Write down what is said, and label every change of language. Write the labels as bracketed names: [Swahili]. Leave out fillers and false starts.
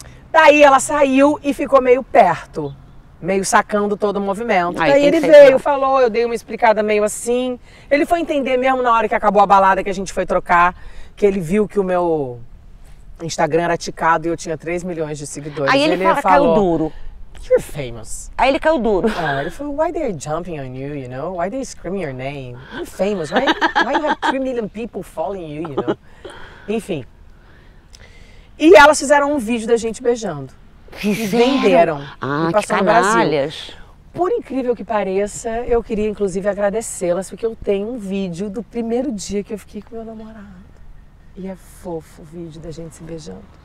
[Portuguese] Daí ela saiu e ficou meio perto, meio sacando todo o movimento. Aí, daí ele veio, falou, eu dei uma explicada meio assim. Ele foi entender mesmo na hora que acabou a balada que a gente foi trocar, que ele viu que o meu Instagram era ticado e eu tinha 3 milhões de seguidores. Aí ele fala, falou, caiu duro. [English] You're famous. [Portuguese] Aí ele caiu duro. Ele falou, [English] why they're jumping on you, you know? Why they screaming your name? You're famous, why you have 3 million people following you, you know? [Portuguese] Enfim. E elas fizeram um vídeo da gente beijando. Fizeram? E venderam. Ah, e passaram que canalhas. Por incrível que pareça, eu queria inclusive agradecê-las, porque eu tenho um vídeo do primeiro dia que eu fiquei com meu namorado. E é fofo o vídeo da gente se beijando.